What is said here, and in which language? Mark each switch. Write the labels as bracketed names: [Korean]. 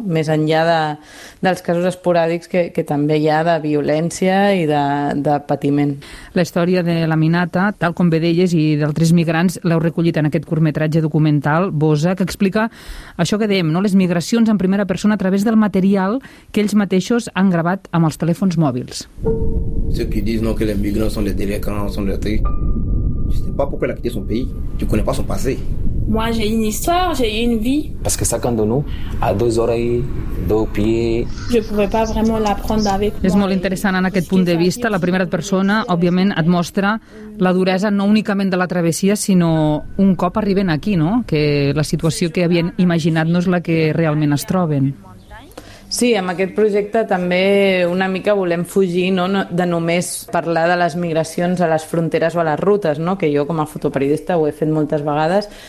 [Catalan] Més enllà dels casos esporàdics que també hi ha de violència i de patiment. La història de la Minata, tal com bé deies, i d'altres migrants, l'heu recollit en aquest curtmetratge documental, Bosa, que explica això que dèiem, no? Les migracions en primera persona a través del material que ells mateixos han gravat amb els telèfons mòbils. [French] Ceux qui disent non que les migrants sont des délinquants, sont des trucs. Tu sais pas pourquoi elle a quitté son pays. Tu connais pas son passé. Moi j'ai une histoire, j'ai une vie. Parce que chacun de nous a deux oreilles, deux pieds. Je pouvais pas vraiment l'apprendre avec moi. [Catalan] És molt interessant en aquest punt de vista. La primera persona, òbviament, et mostra la duresa no únicament de la travessia, sinó un cop arriben aquí, no? Que la situació que havien imaginat no és la que realment es troben. Sí, amb aquest projecte també una mica volem fugir, no?, de només parlar de les migracions a les fronteres o a les rutes, no?, que jo com a fotoperiodista ho he fet moltes vegades.